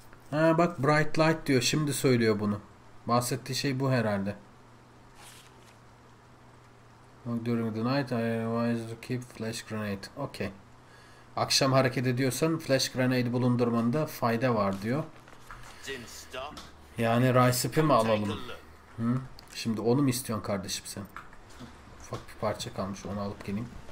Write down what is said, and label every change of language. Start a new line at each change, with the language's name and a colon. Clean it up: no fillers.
Turkish: Ha bak, Bright Light diyor, şimdi söylüyor bunu. Bahsettiği şey bu herhalde.
English: During the night I advise to keep flash grenade. Okay.
Turkish: Akşam hareket ediyorsan flash grenade bulundurmanda fayda var diyor. Yani Rysip'i mi alalım? Hı? Şimdi onu mu istiyorsun kardeşim sen? Ufak bir parça kalmış, onu alıp geleyim.